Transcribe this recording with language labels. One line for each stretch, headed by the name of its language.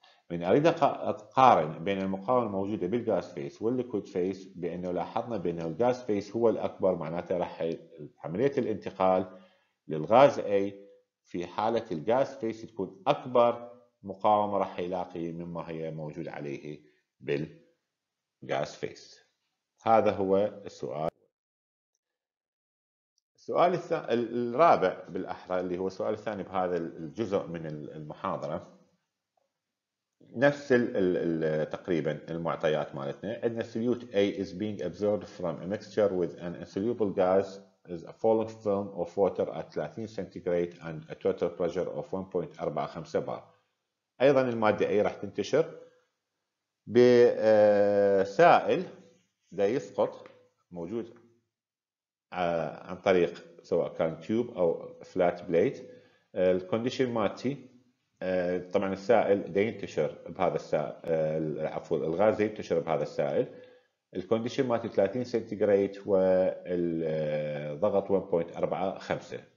Arabic: من اريد اقارن بين المقاومه الموجوده بالغاز فيس والليكويد فيس بانه لاحظنا بان الغاز فيس هو الاكبر، معناته راح عمليه الانتقال للغاز اي في حاله الغاز فيس تكون اكبر مقاومه راح يلاقي مما هي موجود عليه بالغاز فيس. هذا هو السؤال. السؤال الرابع بالاحرى اللي هو السؤال الثاني بهذا الجزء من المحاضره، نفس الـ تقريبا المعطيات مالتنا.
English: عندنا solute A is being absorbed from a mixture with an insoluble gas is a falling film of water at 30 centigrade and a total pressure of 1.45 bar.
Arabic: ايضا المادة A راح تنتشر بسائل دا يسقط موجود عن طريق سواء كان tube او flat plate. الكونديشن مالتي طبعا السائل دا ينتشر بهذا السائل، عفوا الغاز ينتشر بهذا السائل، الكونديشن مالته 30 سنتيغريد والضغط 1.45.